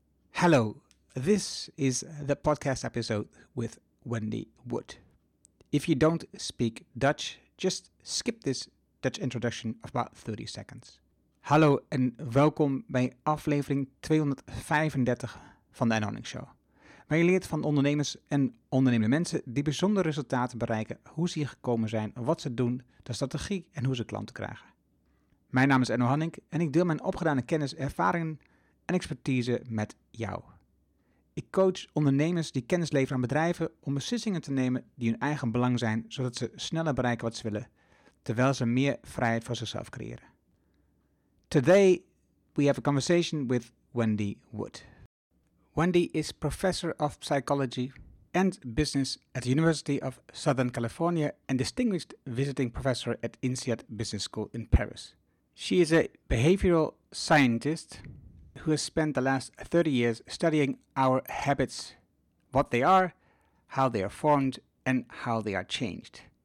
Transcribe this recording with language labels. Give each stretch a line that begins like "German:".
English: Hello, this is the podcast episode with Wendy Wood. If you don't speak Dutch, just skip this Dutch introduction of about 30 seconds.
Dutch: Hallo en welkom bij aflevering 235 van de Anonymous Show. Waar je leert van ondernemers en ondernemende mensen die bijzondere resultaten bereiken, hoe ze hier gekomen zijn, wat ze doen, de strategie en hoe ze klanten krijgen. Mijn naam is Enno Hanning en ik deel mijn opgedane kennis, ervaringen en expertise met jou. Ik coach ondernemers die kennis leveren aan bedrijven om beslissingen te nemen die hun eigen belang zijn, zodat ze sneller bereiken wat ze willen, terwijl ze meer vrijheid voor zichzelf creëren.
English: Today we have a conversation with Wendy Wood. Wendy is professor of psychology and business at the University of Southern California and distinguished visiting professor at INSEAD Business School in Paris. She is a behavioral scientist who has spent the last 30 years studying our habits, what they are, how they are formed, and how they are changed.